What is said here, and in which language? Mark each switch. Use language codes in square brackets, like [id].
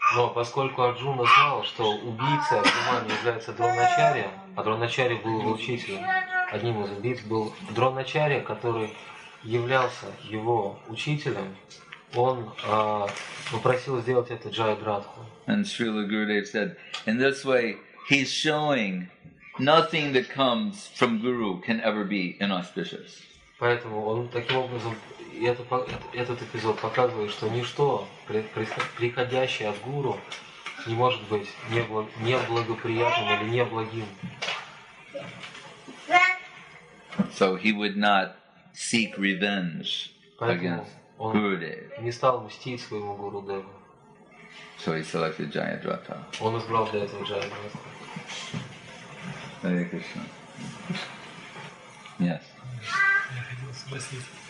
[ru] Но поскольку Арджуна знал, что убийца Абхимани является Дроначарья, а Дроначарья был его учителем, одним из убийц был Дроначарья, который являлся его учителем, он попросил сделать это Джаядратху. [en] And Srila Gurudev said, in this way, he's showing nothing that comes from Guru can ever be inauspicious. [ru] Поэтому он таким образом, этот эпизод показывает, что ничто, приходящее от гуру, не может быть неблагоприятным или неблагим. [en] So he would not seek revenge against Gurudev. [ru] Он не стал мстить своему гуру Деву. [en] So he selected Jayadratha. [ru] Он избрал для этого Jayadratha. [en] Hare Krishna. Yes. [ru] Спросить.